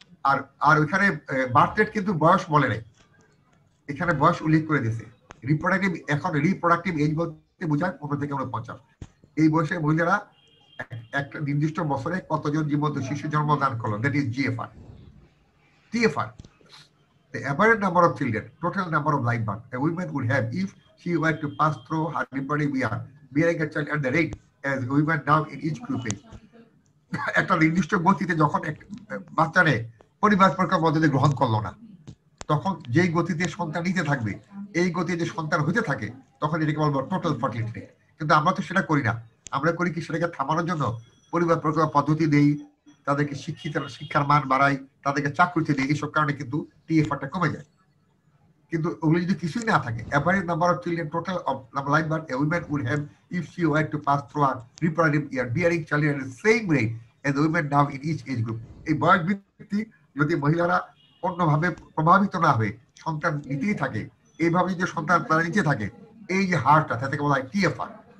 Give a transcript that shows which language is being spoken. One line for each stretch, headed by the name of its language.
Bangla: আর আর ওইখানে birth rate কিন্তু বয়স বলে নাই, এখানে বয়স উল্লেখ করে দিয়েছে রিপ্রোডাকটিভ, এখন রিপ্রোডাকটিভ এজ বলতে বোঝায় 15-50, এই বয়সে মহিলারা একটা নির্দিষ্ট বছরে কতজন জীবন্ত শিশু জন্ম দান করলো,
English: that is
Bangla: GFR।
English: TFR the average number of children, total number of live births a woman would have if she were to pass through her reproductive year bearing a child at the rate as women now in each group age,
Bangla: একটা নির্দিষ্ট গতিতে যখন বাচ্চা নেয় পরিবার পরিকল্পনার মধ্যে গ্রহণ করলো না, তখন যেই গতিতে সন্তান নিতে থাকবে এই গতিতে সন্তান হতে থাকে তখন এটাকে বলবো টোটাল ফার্টিলিটি রেট। কিন্তু আমরা তো সেটা করি না, আমরা করি কি সেটাকে থামানোর জন্য পরিবার পরিকল্পনার পদ্ধতি দেই, তাদেরকে শিক্ষিত শিক্ষার মান বাড়াই, তাদেরকে চাকরিতে দিই, এইসব কারণে কিন্তু TFR-টা কমে যায়।
English: কিন্তু ওগুলো যদি কিছুই না থাকে, average number of children total of number live birth a women would have if she were to pass through her reproductive year bearing child at the same rate as women now in each age group,
Bangla: এই বয়স ভিত্তি যদি মহিলারা অন্যভাবে প্রভাবিত না হয়ে সন্তান নিতেই থাকে, এইভাবে যদি সন্তান তারা নিচে থাকে এই যে হারটা তাতে বলা হয় TFR।